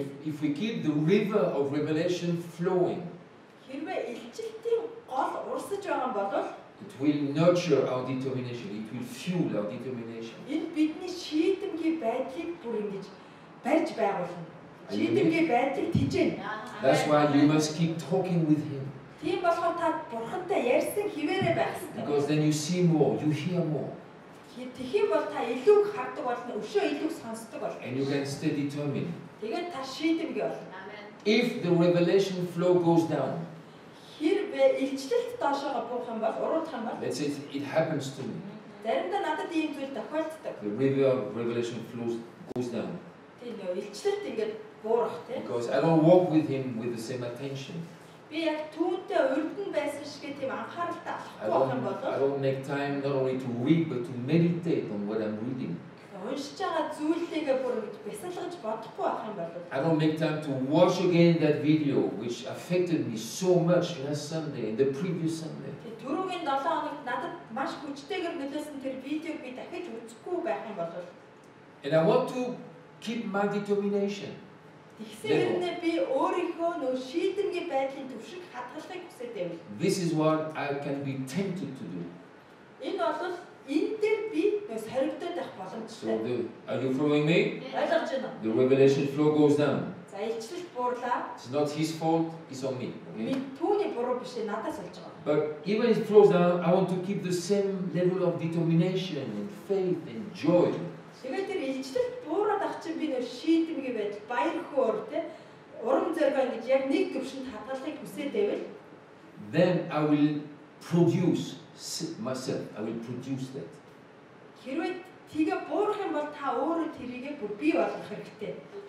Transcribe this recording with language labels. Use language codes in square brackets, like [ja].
[en] If we keep the river of revelation flowing. [mn] Хэрвээ илчлэлтийн гол урсаж байгаа бол [en] it will nurture our determination, it will fuel our determination. [mn] Энэ бидний шийдэмгий байдлыг бүр ингэж барьж байгуулна. Шийдэмгий байдлыг тэжээн. [en] That's why you must keep talking with him. [mn] Тийм болохоор та бурхантай ярьсан хിവэрэ байх ёстой. [en] Because then you see more, you hear more. [mn] Тэхийн бол та илүү харддаг болно, өшөө илүү сонсдог болно. [en] And you can stay determined. [mn] Тэгээд та шийдэмгий болно. [en] If the revelation flow goes down. [mn] Хэрвээ илчлэлт доошоо буух юм бол уруудах юм бол. [en] Let's say it happens to me. [mn] Заримдаа надад ийм зүйл тохиолддог. [en] The river of revelation flows goes down. [mn] Тэгээ нөө илчлэлт ингээд буурах тийм. [en] Because I don't walk with him with the same attention. [mn] Би яг түүнтэй өрдөн байсан шигээ тийм анхааралтай алхахгүй байх юм бол. [en] I don't make time not only to read but to meditate on what I'm reading. [mn] Уншиж байгаа зүйлээг бүр ингэж бясалгаж бодохгүй байх юм бол [en] I don't make time to watch again that video which affected me so much last Sunday and the previous Sunday. [mn] Түрүүгийн 7 хоногт надад маш хүчтэйгээр нөлөөсөн тэр видеог би дахиж үзэхгүй байх юм бол [en] And I want to keep my determination. [mn] Тэгсээрнээ би өөрийнхөө нөх шийдэмгийн байдлын төвшиг хадгалахыг хүсэж байв. [en] This is what I can be tempted to do. [mn] Энэ бол эн дээр би соригдоод байх боломжтой. [en] Are you following me? [mn] Ойлгож байна уу? [en] The revelation flow goes down. [mn] За илчлэлт буурлаа. [en] It's not his fault, it's on me. [mn] Би түүний буруу биш, надаас олж байгаа. [en] But even if it flows down, I want to keep the same level of determination and faith and joy. [mn] Тэгээд тэр илчлэлт буураад ах чинь би нэр шийдэмгий байдал, баяр хөөр те урам зориг гэж яг нэг төвшөнд хадгалахыг хүсээд байвал [en] then I will produce myself, I will produce that. [mn] Хэрвээ тгээ буурах юм бол та өөрөө тэрийгээ бүр бий болгох хэрэгтэй.